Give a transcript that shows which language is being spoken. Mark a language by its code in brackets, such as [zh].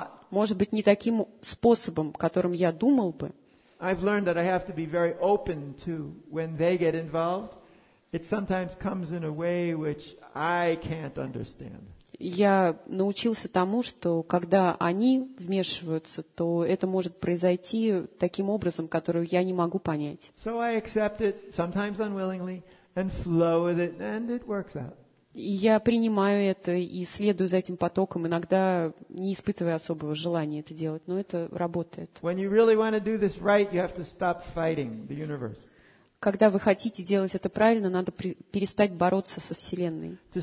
[ru] Может быть, не таким способом, которым я думал бы. [en] I've learned that I have to be very open to when they get involved. It sometimes comes in a way which I can't understand. [ru] Я научился тому, что когда они вмешиваются, то это может произойти таким образом, который я не могу понять. [en] So I accept it sometimes unwillingly and flow with it and it works out. [ru] Я принимаю это и следую за этим потоком, иногда не испытывая особого желания это делать, но это работает. Когда вы хотите делать это правильно, надо перестать бороться со Вселенной.